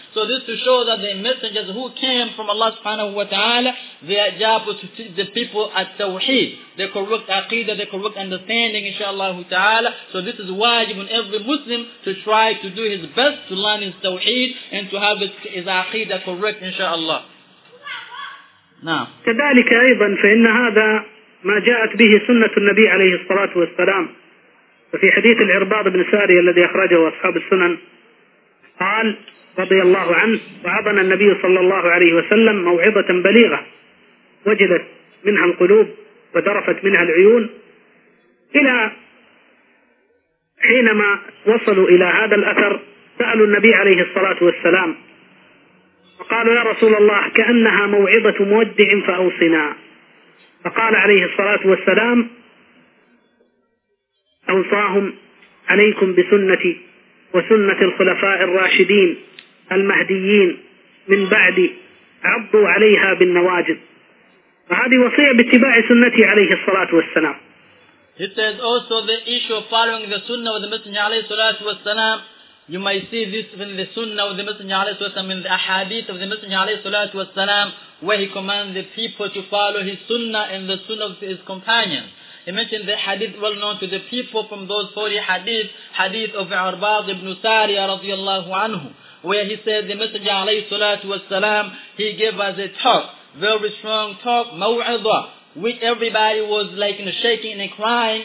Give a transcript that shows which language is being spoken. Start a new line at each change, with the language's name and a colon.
English: So this to show that the messengers who came from Allah subhanahu wa ta'ala, their job was to teach the people at tawheed, the correct aqidah, the correct understanding, inshallah ta'ala. So this is wajib on every Muslim to try to do his best to learn his tawheed and to have his aqidah correct, inshallah. Now.
Arabic: كذلك أيضا فإن هذا ما جاءت به سنة النبي عليه الصلاة والسلام. وفي حديث العرباض بن ساري الذي أخرجه أصحاب السنن قال رضي الله عنه: وعظنا النبي صلى الله عليه وسلم موعظة بليغة وجلت منها القلوب ودرفت منها العيون، إلى حينما وصلوا إلى هذا الأثر سألوا النبي عليه الصلاة والسلام فقالوا: يا رسول الله، كأنها موعظة مودع فأوصنا. فقال عليه الصلاة والسلام: أوصاهم عليكم بسنتي وسنة الخلفاء الراشدين المهديين من بعدي، عضوا عليها بالنواجذ. فهذه وصية باتباع سنته عليه الصلاة والسلام.
English: He says also the issue of following the sunnah of the Messenger عليه الصلاة والسلام. You may see this in the sunnah of the Messenger عليه الصلاة والسلام, in the ahadith of the Messenger عليه الصلاة والسلام, where he commands the people to follow his sunnah and the sunnah of his companions. He mentioned the hadith well known to the people from those 40 hadith, hadith of Urbad ibn Sariya radiallahu anhu, where he said the Messenger alayhi salatu wasalam, he gave us a talk, very strong talk, maw'idah, which everybody was like shaking and crying.